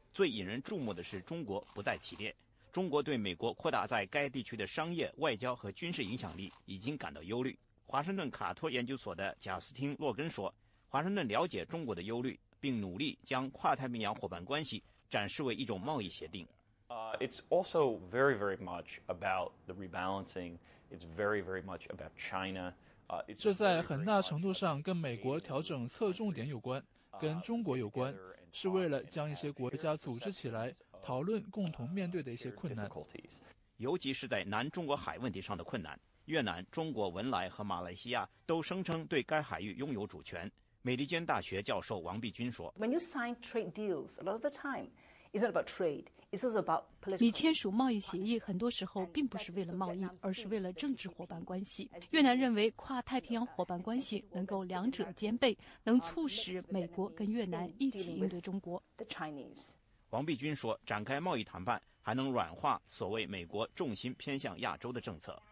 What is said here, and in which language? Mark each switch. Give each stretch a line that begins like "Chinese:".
Chinese: 最引人注目的是中国不在其列。中国对美国扩大在该地区的商业、外交和军事影响力已经感到忧虑。华盛顿卡托研究所的贾斯汀·洛根说，华盛顿了解中国的忧虑，并努力将跨太平洋伙伴关系展示为一种贸易协定。
English: It's also very, very much about the rebalancing. It's very, very much about China.
Chinese: 这在很大程度上跟美国调整侧重点有关，跟中国有关，是为了将一些国家组织起来讨论共同面对的一些困难，尤其是在南中国海问题上的困难。越南、中国、文莱和马来西亚都声称对该海域拥有主权。美利坚大学教授王碧君说，
English: When you sign trade deals, a lot of the time it's not about trade.
Chinese: 你签署贸易协议很多时候并不是为了贸易，而是为了政治伙伴关系。越南认为跨太平洋伙伴关系能够两者兼备，能促使美国跟越南一起应对中国。王碧君说，展开贸易谈判还能软化所谓美国重心偏向亚洲的政策。